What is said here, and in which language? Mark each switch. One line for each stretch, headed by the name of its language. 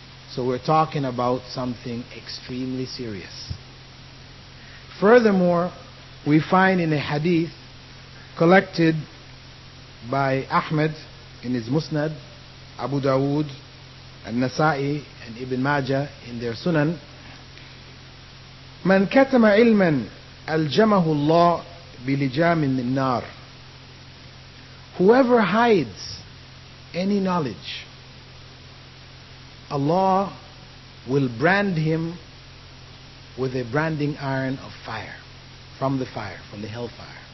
English: So we're talking about something extremely serious. Furthermore, we find in a hadith collected by Ahmed in his Musnad, Abu Dawood, النسائي and Ibn Majah in their Sunan.
Arabic: من كتم علما ألجمه الله بلجام من النار.
English: Whoever hides any knowledge, Allah will brand him with a branding iron of fire, from the fire, from the hellfire.